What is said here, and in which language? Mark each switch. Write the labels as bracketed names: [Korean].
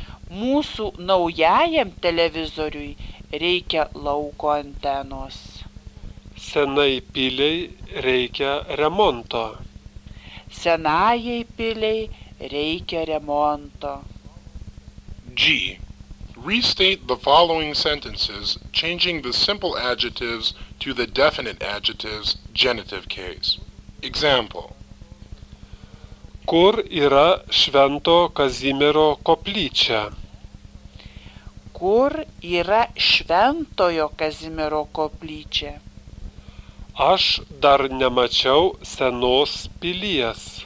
[Lithuanian] Mūsų naujajam televizoriui reikia lauko antenos. Senai piliai reikia remonto. Senajai piliai reikia remonto. G. [English] Restate the following sentences, changing the simple adjectives to the definite adjectives, genitive case. Example. [Lithuanian] Kur yra Švento Kazimiero koplyčia? Kur yra Šventojo Kazimiero koplyčia? Aš dar nemačiau senos pilies.